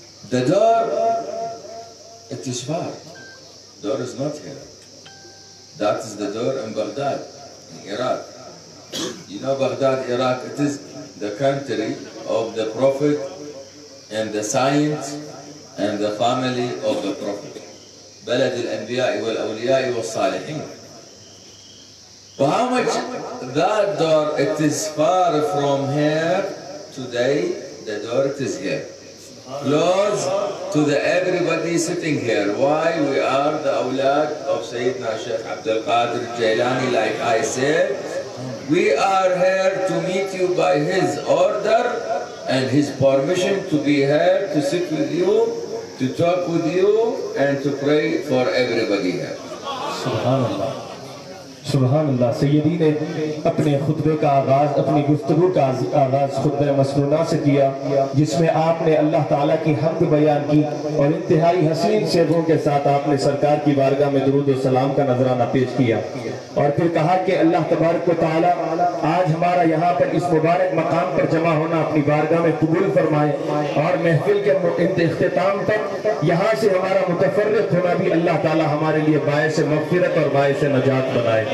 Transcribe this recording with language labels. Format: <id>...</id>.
<en>The door, it is far. Door is not here. That is the door in Baghdad, in Iraq. You know Baghdad, Iraq, it is the country of the Prophet and the science and the family of the Prophet.</en> <ar>بلد الأنبياء والأولياء والصالحين.</ar> <en>But how much that door, it is far from here. Today, the door, it is here. Close to the everybody sitting here. Why? We are the awlad of Sayyidina Sheikh Abdul Qadir Jailani, like I said. We are here to meet you by his order and his permission to be here, to sit with you, to talk with you, and to pray for everybody here.</en> <ar>Subhanallah. سبحان اللہ.</ar> <ur>سیدی نے اپنے خطبے کا آغاز، اپنی گفتگو کا آغاز خطبہ مسنونہ سے کیا، جس میں آپ نے اللہ تعالیٰ کی حمد بیان کی اور انتہائی حسین شعروں کے ساتھ آپ نے سرکار کی بارگاہ میں درود و سلام کا نذرانہ پیش کیا، اور پھر کہا کہ اللہ تبارک و تعالیٰ آج ہمارا یہاں پر اس مبارک مقام پر جمع ہونا اپنی بارگاہ میں قبول فرمائے، اور محفل کے اختتام تک یہاں سے ہمارا متفرق ہونا بھی اللہ تعالیٰ ہمارے لیے باعث مغفرت اور باعث نجات بنائے.</ur>